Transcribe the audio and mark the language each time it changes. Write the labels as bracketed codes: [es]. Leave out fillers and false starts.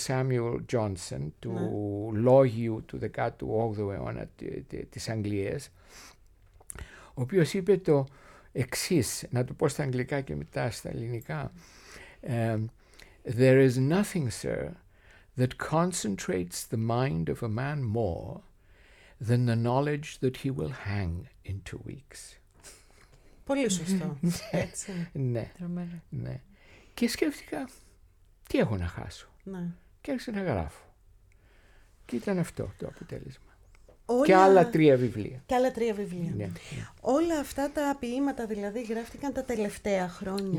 [el] Samuel Johnson, του, ναι, λόγιου του 18ου αιώνα της Αγγλίας, ο οποίος είπε το εξής, να το πω στα αγγλικά και μετά στα ελληνικά. [en] There is nothing, sir, that concentrates the mind of a man more than the knowledge that he will hang in 2 weeks. [el] Πολύ σωστό. Ναι. Τρομερό. Ναι. Και σκέφτηκα, τι έχω να χάσω. Ναι. Και άρχισα να γράφω. Και ήταν αυτό το αποτέλεσμα. Όλα... Και άλλα 3 βιβλία. Και άλλα 3 βιβλία. Ναι, ναι. Όλα αυτά τα ποιήματα δηλαδή γράφτηκαν τα τελευταία χρόνια.